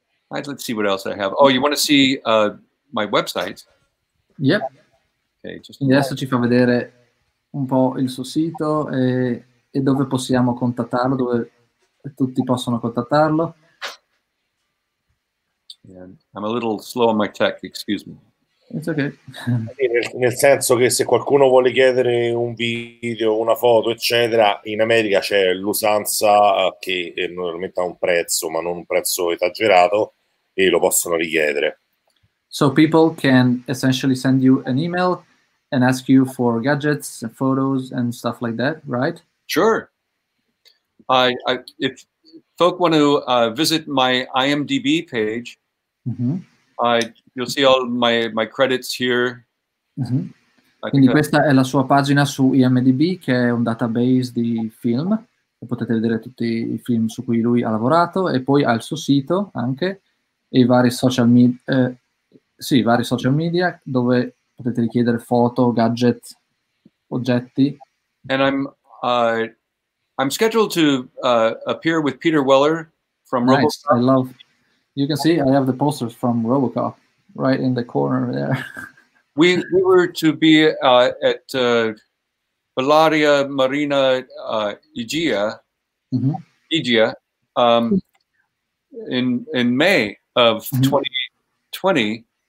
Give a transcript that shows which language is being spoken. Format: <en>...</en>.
<en>Let's see what else I have. Oh, you want to see my website? Yep.</en> <it>Okay, adesso ci fa vedere un po' il suo sito e dove possiamo contattarlo, dove tutti possono contattarlo.</it> <en>Yeah, I'm a little slow on my tech, excuse me. It's okay.</en> <it>Nel senso che se qualcuno vuole chiedere un video, una foto, eccetera, in America c'è l'usanza che normalmente ha un prezzo, ma non un prezzo esagerato, e lo possono richiedere.</it> <en>So people can essentially send you an email and ask you for gadgets, photos, and stuff like that, right? Sure. If folk want to visit my IMDb page, you'll see all my credits here.</en> <it>Quindi questa è la sua pagina su IMDb, che è un database di film. Potete vedere tutti i film su cui lui ha lavorato, e poi ha il suo sito anche, e vari social media dove potete richiedere foto, gadget, oggetti.</it> <en>And I'm scheduled to appear with Peter Weller from nice, RoboCop. I love. You can see I have the posters from RoboCop right in the corner there. We were to be at Bellaria Marina Igia, Igia, in May of 2020.</en>